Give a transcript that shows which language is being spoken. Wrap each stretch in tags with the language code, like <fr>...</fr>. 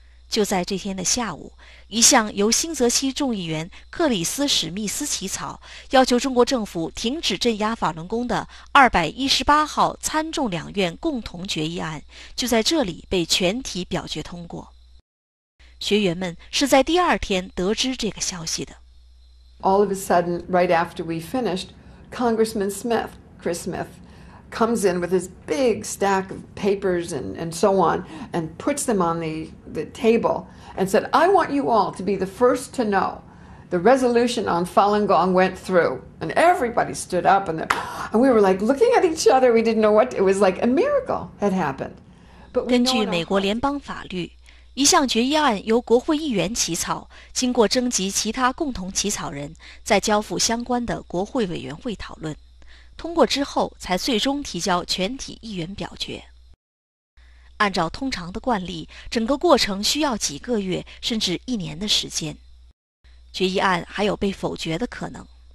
<zh>就在这天的下午，一项由新泽西众议员克里斯·史密斯起草，要求中国政府停止镇压法轮功的218号参众两院共同决议案，就在这里被全体表决通过。学员们是在第二天得知这个消息的。</zh> <en>All of a sudden, right after we finished, Congressman Smith, Chris Smith, comes in with his big stack of papers and so on, and puts them on the table and said, "I want you all to be the first to know the resolution on Falun Gong went through." And everybody stood up, and we were like looking at each other. We didn't know what it was like. A miracle had happened.</en> <zh>But 根据美国联邦法律。一项决议案由国会议员起草，经过征集其他共同起草人，再交付相关的国会委员会讨论，通过之后才最终提交全体议员表决。按照通常的惯例，整个过程需要几个月甚至一年的时间，决议案还有被否决的可能。</zh>